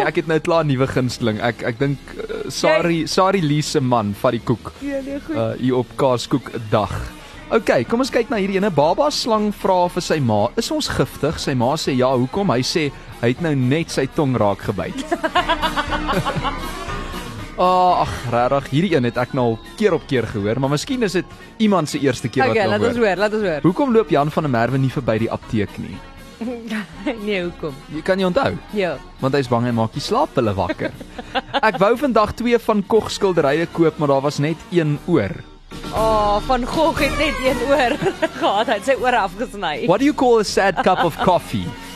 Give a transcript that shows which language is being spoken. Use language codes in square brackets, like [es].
[af] ek het nou klaar 'n nuwe gunsteling. Ek dink Sari Lee se man vat die koek. Ja, nee, goed. Hier op kaaskoek dag. Okay, kom ons kyk na hierdie ene. Baba slang vra vir sy ma, "Is ons giftig?" Sy ma sê, "Ja, hoekom?" Hy sê, "Hy het nou net sy tong raak gebyt." Ag, regtig, hierdie een het ek nou keer op keer gehoor, maar miskien is dit iemand se eerste keer okay, wat hoor. Ons hoor. Laat ons hoor. Hoekom loop Jan van der Merwe nie verby die apteek nie? Nee, hoekom? Jy kan nie onthou? Ja. Want hy is bang en maak die slaaphulle wakker. Ek wou vandag 2 Van Gogh skilderye koop, maar daar was net 1 oor. Oh, Van Gogh het net 1 oor gehad, hy het sy oor afgesny. [en] What do you call a sad cup of coffee?